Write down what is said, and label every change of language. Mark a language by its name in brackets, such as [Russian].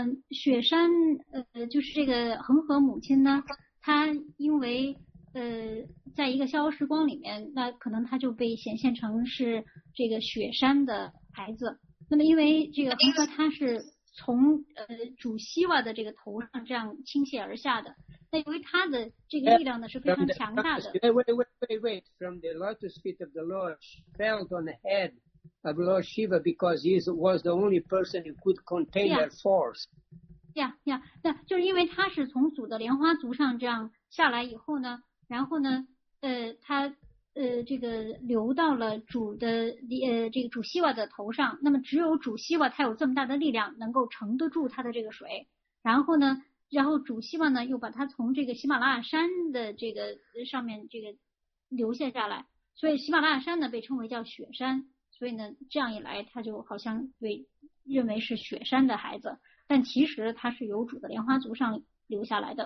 [Chinese] 雪山就是这个恒河母亲呢，她因为在一个逍遥时光里面，那可能她就被显现成是这个雪山的孩子。那么因为这个恒河她是从主希瓦的这个头上这样倾泻而下的。那由于他的这个力量呢是非常强大的。 [English] Wait. From the lotus feet of the Lord fell on the head of Lord Shiva because he was the only person who could contain that force. Yeah. [Chinese] 就是因为他是从主的莲花足上这样下来以后呢，然后呢，他。这个流到了主的这个主希瓦的头上，那么只有主希瓦他有这么大的力量能够承得住他的这个水，然后呢，然后主希瓦呢又把他从这个喜马拉雅山的这个上面这个流泻下来，所以喜马拉雅山呢被称为叫雪山，所以呢这样一来他就好像被认为是雪山的孩子，但其实他是由主的莲花足上流下来的。